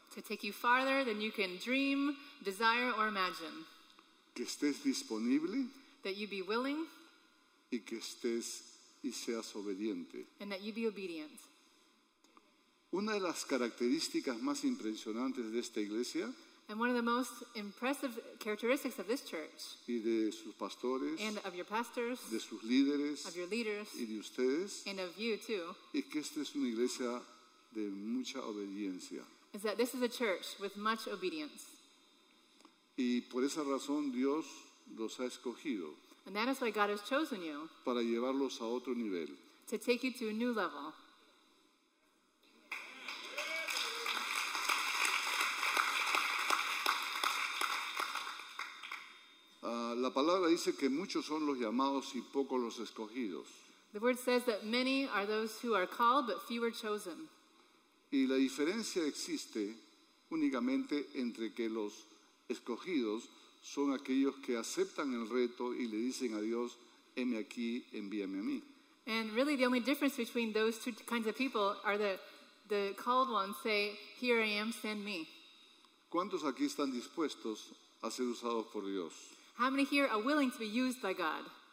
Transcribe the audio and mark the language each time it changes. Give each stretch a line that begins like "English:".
English: To take you farther than you can dream, desire or imagine.
Spanish: Que estés disponible.
English: That you be willing.
Spanish: Y que estés y seas obediente.
English: And that you be obedient.
Spanish: Una de las características más impresionantes de esta iglesia.
English: And one of the most impressive characteristics of this church.
Spanish: Y de sus pastores.
English: And of your pastors.
Spanish: De sus líderes.
English: Of your leaders.
Spanish: Y de ustedes.
English: And of you too.
Spanish: Y que esta es una iglesia de mucha obediencia.
English: Is that this is a church with much obedience.
Spanish: Y por esa razón Dios los ha escogido.
English: And that is why God has chosen you.
Spanish: Para llevarlos a otro nivel.
English: To take you to a new level.
Spanish: La palabra dice que muchos son los llamados y pocos los escogidos.
English: The word says that many are those who are called, but few are chosen.
Spanish: Y la diferencia existe únicamente entre que los escogidos son aquellos que aceptan el reto y le dicen a Dios, heme aquí, envíame a mí.
English: And really the only difference between those two kinds of people are the called ones say, here I am, send me.
Spanish: ¿Cuántos aquí están dispuestos a ser usados por Dios?
English: How many here are willing to be used by God?